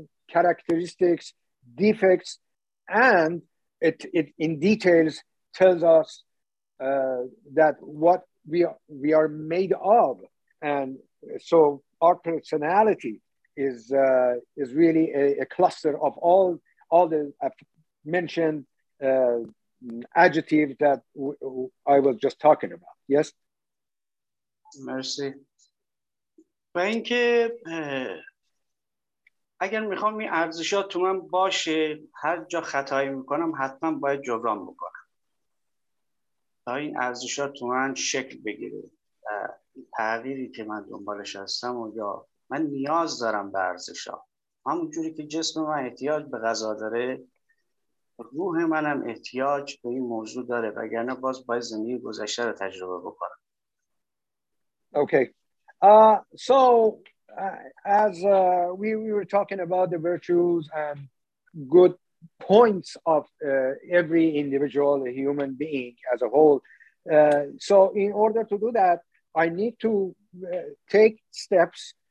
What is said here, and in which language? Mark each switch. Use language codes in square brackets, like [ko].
[en] characteristics, defects, and it in details tells us that what we are made of, and so our personality is really a cluster of all the mentioned adjective that I was just talking about. Yes. [fa] مرسی. و اینکه اگر میخوام این ارزشات تو من باشه، هر جا خطایی میکنم حتما باید جبران بکنم تا این ارزشات تو من شکل بگیره و تغییری که من دنبالش هستم و یا من نیاز دارم به ارزشات، همونجوری که جسم من احتیاج به غذا داره، روح منم احتیاج به این موضوع داره، وگرنه باز باید زندگی گذشته رو تجربه بکنم. [en] Okay, so as we were talking about the virtues and good points of every individual human being as a whole, so in order to do that, I need to take steps.